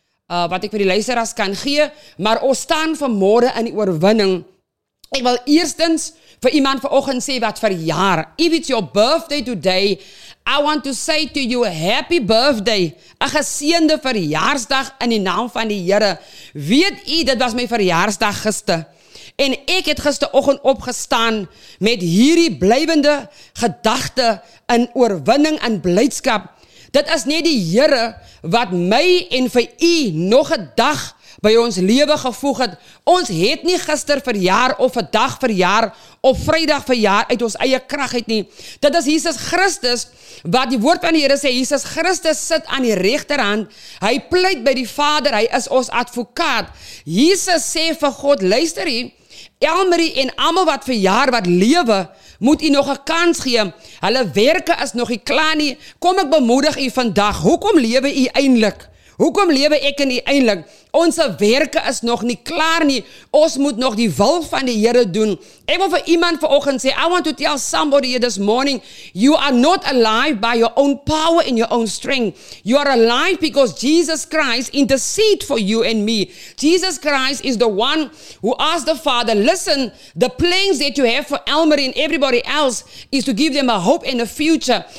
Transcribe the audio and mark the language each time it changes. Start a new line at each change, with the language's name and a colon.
Afrikaans: Wat ek vir die luisteraars kan gee. Maar ons staan vanmôre in die oorwinning. Ek wil eerstens vir iemand vanoggend sê wat verjaar.
English: If it's your birthday today, I want to say to you happy birthday.
Afrikaans: 'N geseënde verjaarsdag in die naam van die Here. Weet u, dit was my verjaarsdag gister. En ek het gisteroggend opgestaan met hierdie blywende gedagte in oorwinning en blydskap. Dit is net die Here wat my en vir u nog 'n dag by ons lewe gevoeg het. Ons het nie gister verjaar of 'n dag verjaar of Vrydag verjaar uit ons eie krag uit nie. Dit is Jesus Christus wat die woord van die Here sê, Jesus Christus sit aan die regterhand. Hy pleit by die Vader, hy is ons advokaat. Jesus sê vir God, luister hier, Elmarie en almal wat verjaar, wat lewe, moet u nog 'n kans gee. Hulle werke is nog nie klaar nie. Kom ek bemoedig u vandag, hoekom lewe u eindelik? Hoekom lewe ek in u eindelik? Ons werke is nog nie klaar nie. Ons moet nog die wil van die Here doen. Ek wil vir iemand vanoggend sê,
English: I want to tell somebody this morning, you are not alive by your own power and your own strength. You are alive because Jesus Christ intercede for you and me. Jesus Christ is the one who asked the Father, listen, the plans that you have for Elmer and everybody else is to give them a hope and a future.